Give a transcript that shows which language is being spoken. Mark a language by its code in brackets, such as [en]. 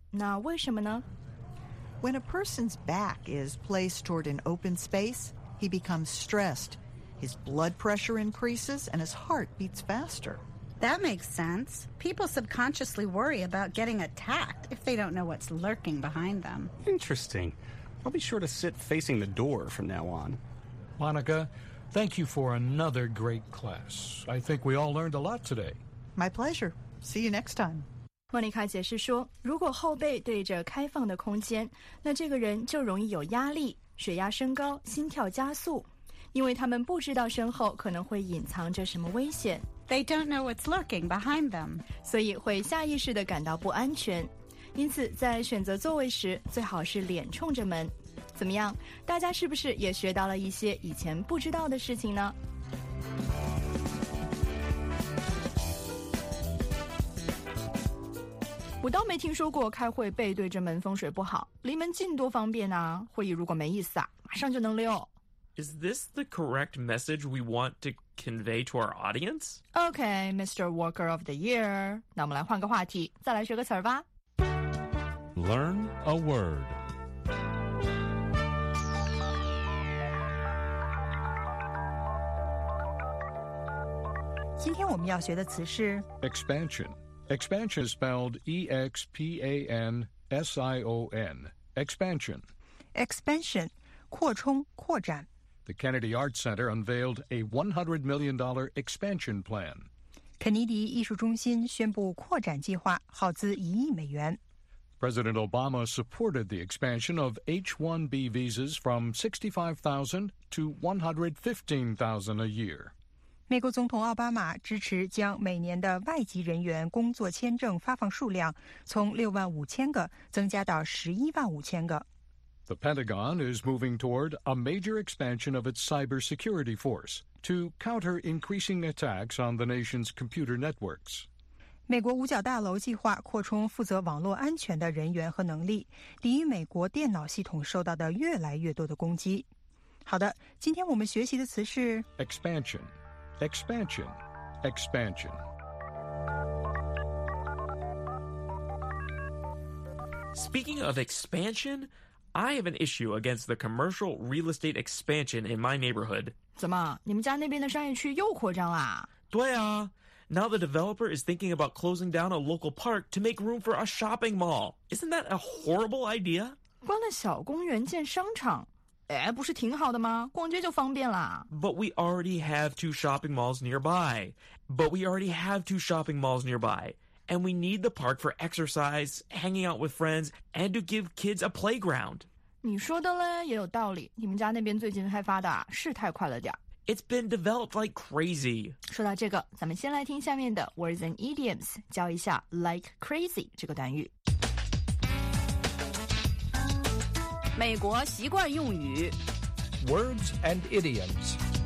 [zh] 那为什么呢？ [en] When a person's back is placed toward an open space, he becomes stressed. His blood pressure increases and his heart beats faster. That makes sense. People subconsciously worry about getting attacked if they don't know what's lurking behind them. Interesting. I'll be sure to sit facing the door from now on. Monica, thank you for another great class. I think we all learned a lot today. My pleasure. See you next time. [zh] 莫妮卡解释说，如果后背对着开放的空间，那这个人就容易有压力，血压升高，心跳加速，因为他们不知道身后可能会隐藏着什么危险。 [en] They don't know what's lurking behind them. [zh] 所以会下意识地感到不安全。因此在选择座位时最好是脸冲着门。怎么样，大家是不是也学到了一些以前不知道的事情呢？我倒没听说过开会背对着门风水不好，离门近多方便啊，会议如果没意思啊，马上就能溜。 [en] Is this the correct message we want to convey to our audience? Okay, Mr. Worker of the Year. [zh] 那我们来换个话题，再来学个词儿吧。 [en] Learn a word. Today we're going to learn the word expansion. Expansion is spelled E-X-P-A-N-S-I-O-N. Expansion. [zh] Expansion. 扩充、扩展。 [en] The Kennedy Arts Center unveiled a $100 million expansion plan. [zh] 肯尼迪艺术中心宣布扩展计划，耗资$100 million。 [en] President Obama supported the expansion of H-1B visas from 65,000 to 115,000 a year. [zh] 美国总统奥巴马支持将每年的外籍人员工作签证发放数量从65,000个增加到115,000个。 [en] The Pentagon is moving toward a major expansion of its cybersecurity force to counter increasing attacks on the nation's computer networks. [zh] 美国五角大楼计划扩充负责网络安全的人员和能力，抵御美国电脑系统受到的越来越多的攻击。好的，今天我们学习的词是 [en] expansion, expansion, expansion. Speaking of expansion,I have an issue against the commercial real estate expansion in my neighborhood. [zh] 怎么，你们家那边的商业区又扩张了？对啊。 [en] Now the developer is thinking about closing down a local park to make room for a shopping mall. Isn't that a horrible idea? [zh] 关了小公园建商场，哎，不是挺好的吗？逛街就方便啦。 [en] But we already have two shopping malls nearby. But we already have two shopping malls nearby. And we need the park for exercise, hanging out with friends, and to give kids a playground. [zh] 你说的嘞也有道理，你们家那边最近开发的是太快了点。 [en] It's been developed like crazy. [zh] 说到这个，咱们先来听下面的 Words and Idioms, 教一下 like crazy 这个单语。美国习惯用语 [en] Words and Idioms.